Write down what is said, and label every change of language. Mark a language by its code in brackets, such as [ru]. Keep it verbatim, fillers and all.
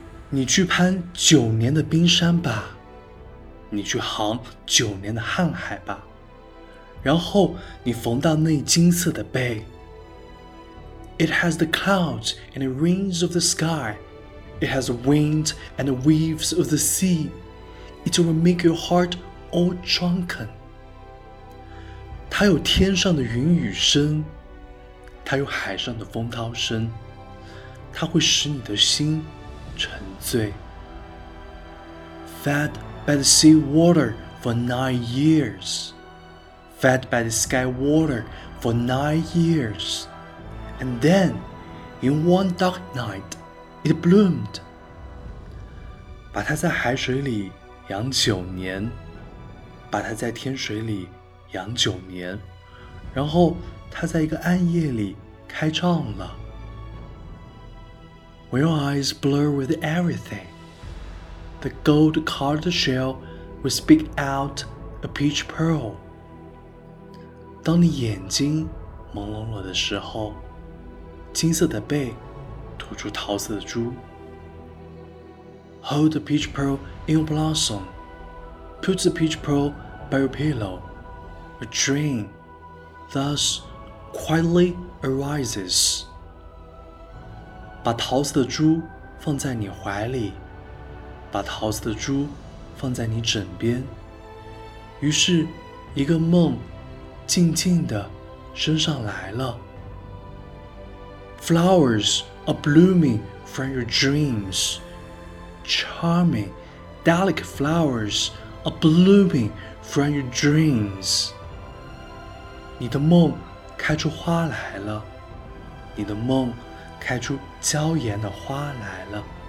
[zh] 你去攀九年的冰山吧，你去航九年的瀚海吧，然后你缝到那金色的贝。 [en] It has the clouds and the rains of the sky. It has the wind and the waves of the sea. It will make your heart all drunken. [zh] 它有天上的云雨声。它有海上的风涛声，它会使你的心沉醉。 [en] Fed by the sea water for nine years, fed by the sky water for nine years, and then, in one dark night, it bloomed. [zh] 把它在海水里养九年，把它在天水里养九年，然后它在一个暗夜里开唱了。 [en] When your eyes blur with everything, the gold-colored shell will speak out a peach pearl. [zh] 当你眼睛朦胧了的时候，金色的贝吐出桃色的珠。 [en] Hold the peach pearl in your blossom. Put the peach pearl by your pillow. A dream, thus. Quietly arises. [zh] 把桃子的珠放在你怀里，把桃子的珠放在你枕边，于是一个梦静静地升上来了。 [en] Flowers are blooming from your dreams. Charming, delicate flowers are blooming from your dreams. [zh] 你的梦开出花来了，你的梦开出娇艳的花来了。